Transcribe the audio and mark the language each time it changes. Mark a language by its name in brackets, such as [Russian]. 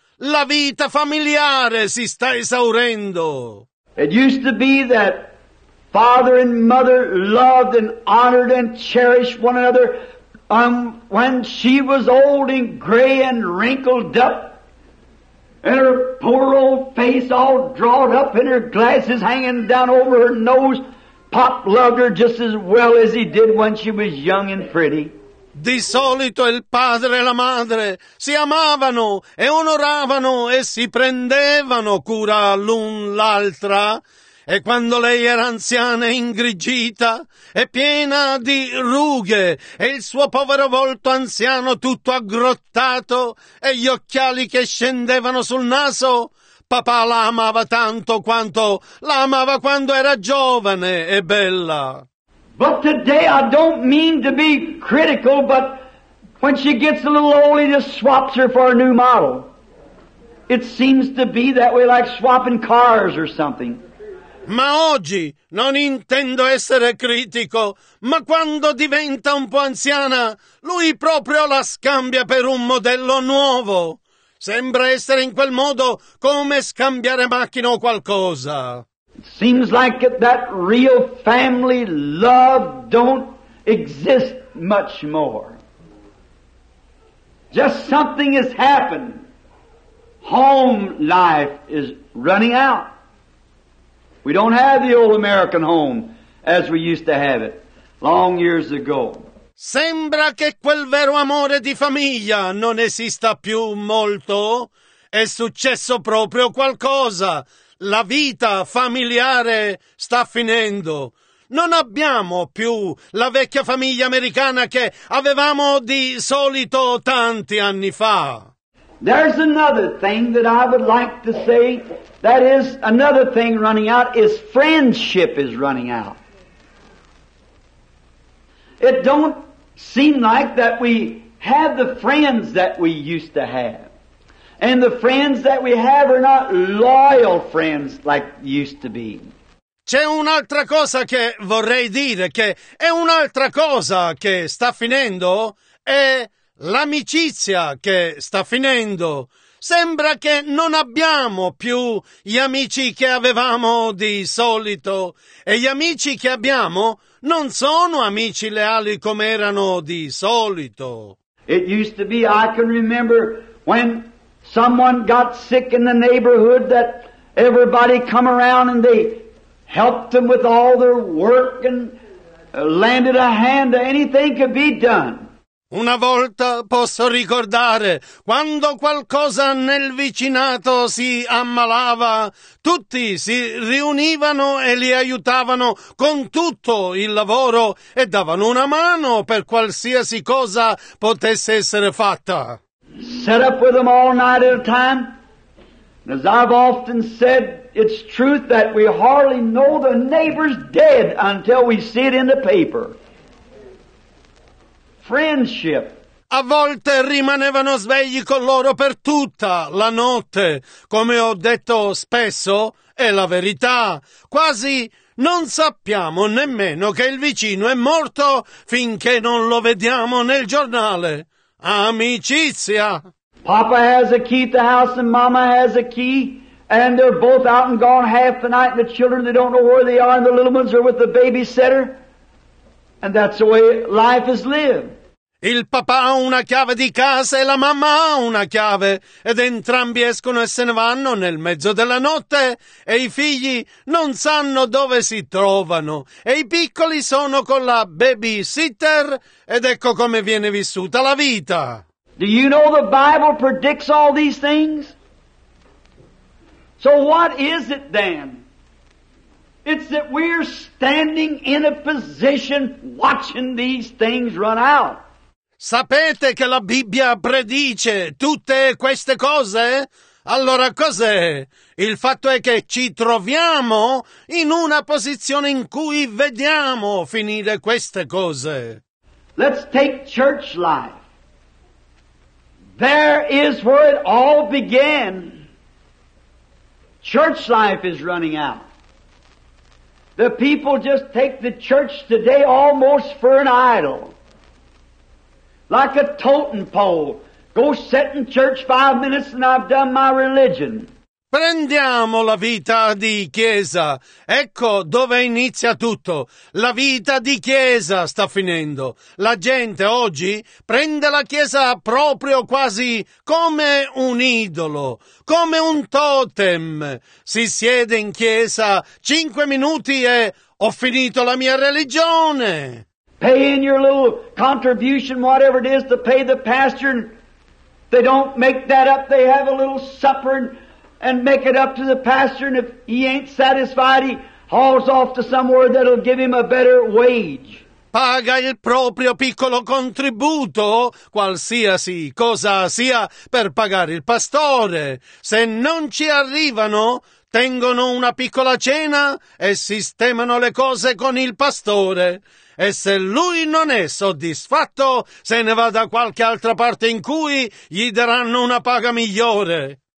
[Italian] La vita familiare si sta esaurendo. [English] It used to be that father and mother loved and honored and cherished one another. When she was old and gray and wrinkled up, and her poor old face all drawn up and her glasses hanging down over her nose, Pop loved her just as well as he did when she was young and pretty. [Italian] Di solito il padre e la madre si amavano e onoravano e si prendevano cura l'un l'altra. E quando lei era anziana e ingrigita e piena di rughe e il suo povero volto anziano tutto aggrottato e gli occhiali che scendevano sul naso, papà la amava tanto quanto la amava quando era giovane e bella. [English] But today I don't mean to be critical, but when she gets a little old, he just swaps her for a new model. It seems to be that way, like swapping cars or something. [Italian] Ma oggi non intendo essere critico, ma quando diventa un po' anziana, lui proprio la scambia per un modello nuovo. Sembra essere in quel modo come scambiare macchina o qualcosa. [English] Seems like that real family love don't exist much more. Just something has happened. Home life is running out. We don't have the old American home as we used to have it long years ago. [Italian] Sembra che quel vero amore di famiglia non esista più molto. È successo proprio qualcosa. La vita familiare sta finendo. Non abbiamo più la vecchia famiglia americana che avevamo di solito tanti anni fa. [English] There's another thing that I would like to say. That is another thing running out is friendship is running out. It don't seem like that we have the friends that we used to have. And the friends that we have are not loyal friends like used to be. [Italian] C'è un'altra cosa che vorrei dire, che è un'altra cosa che sta finendo, è l'amicizia che sta finendo. Sembra che non abbiamo più gli amici che avevamo di solito e gli amici che abbiamo non sono amici leali come erano di solito. [English] It used to be, I can remember when someone got sick in the neighborhood that everybody come around and they helped them with all their work and landed a hand to anything could be done. [Italian] Una volta posso ricordare, quando qualcosa nel vicinato si ammalava, tutti si riunivano e li aiutavano con tutto il lavoro e davano una mano per qualsiasi cosa potesse essere fatta. [English] Set up with them all night at a time. As I've often said, it's truth that we hardly know the neighbor's dead until we see it in the paper. Friendship. [Italian] A volte rimanevano svegli con loro per tutta la notte, come ho detto spesso, è la verità. Quasi non sappiamo nemmeno che il vicino è morto finché non lo vediamo nel giornale. Amicizia. [English] Papa has a key to the house and Mama has a key, and they're both out and gone half the night, and the children, they don't know where they are, and the little ones are with the babysitter, and that's the way life is lived. [Italian] Il papà ha una chiave di casa e la mamma ha una chiave ed entrambi escono e se ne vanno nel mezzo della notte e i figli non sanno dove si trovano e i piccoli sono con la babysitter ed ecco come viene vissuta la vita. [English] Do you know the Bible predicts all these things? So what is it then? It's that we're standing in a position watching these things run out. [Italian] Sapete che la Bibbia predice tutte queste cose? Allora cos'è? Il fatto è che ci troviamo in una posizione in cui vediamo finire queste cose. [English] Let's take church life. There is where it all began. Church life is running out. The people just take the church today almost for an idol. Like a totem pole. Go sit in church 5 minutes and I've done my religion. [Italian] Prendiamo la vita di chiesa. Ecco dove inizia tutto. La vita di chiesa sta finendo. La gente oggi prende la chiesa proprio quasi come un idolo, come un totem. Si siede in chiesa 5 minuti e ho finito la mia religione. [English] Pay in your little contribution, whatever it is, to pay the pastor. They don't make that up. They have a little supper and make it up to the pastor, and if he ain't satisfied, he hauls off to somewhere that'll give him a better wage. [Italian] Paga il proprio piccolo contributo, qualsiasi cosa sia, per pagare il pastore. Se non ci arrivano, tengono una piccola cena e sistemano le cose con il pastore. E se lui non è soddisfatto, se ne va da qualche altra parte in cui gli daranno una paga migliore.